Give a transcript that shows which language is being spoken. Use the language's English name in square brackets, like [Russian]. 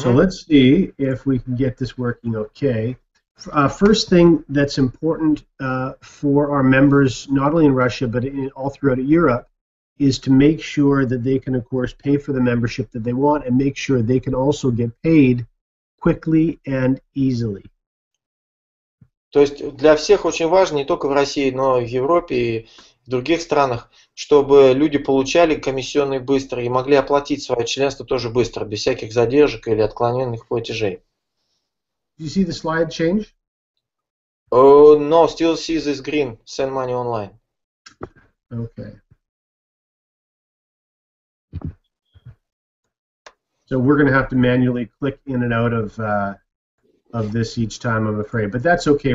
[English] So let's see if we can get this working okay. First thing that's important for our members, not only in Russia, but all throughout Europe, is to make sure that they can, of course, pay for the membership that they want and make sure they can also get paid quickly and easily. [Russian] То есть для всех очень важно, не только в России, но и в Европе, и в других странах, чтобы люди получали комиссионные быстро и могли оплатить свое членство тоже быстро, без всяких задержек или отклоненных платежей. [English] Do you see the slide change? No, still see this green, send money online. Okay. So we're going to have to manually click in and out of this each time, I'm afraid. But that's okay.